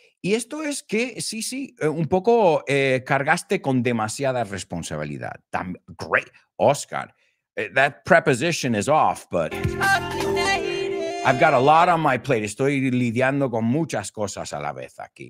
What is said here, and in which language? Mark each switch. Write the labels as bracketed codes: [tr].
[es] Y esto es que, sí, un poco cargaste con demasiada responsabilidad. [en] Great, Oscar. That preposition is off, but I've got a lot on my plate. [es] Estoy lidiando con muchas cosas a la vez aquí.